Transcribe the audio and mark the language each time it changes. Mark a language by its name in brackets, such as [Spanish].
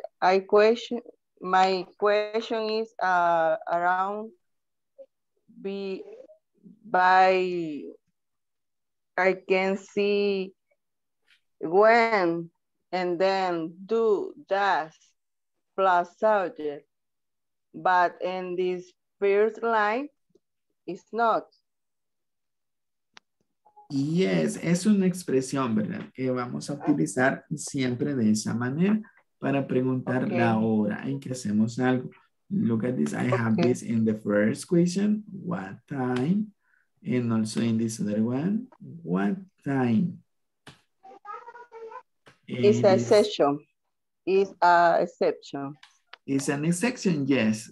[English] My question is around by I can see when and then do that plus subject, but in this first line it's not. [Spanish] Yes, es una expresión, ¿verdad? Que vamos a utilizar siempre de esa manera para preguntar la hora en que hacemos algo. [English] Look at this, I have this in the first question, what time? And also in this other one, what time? It's an exception. It's an exception, yes.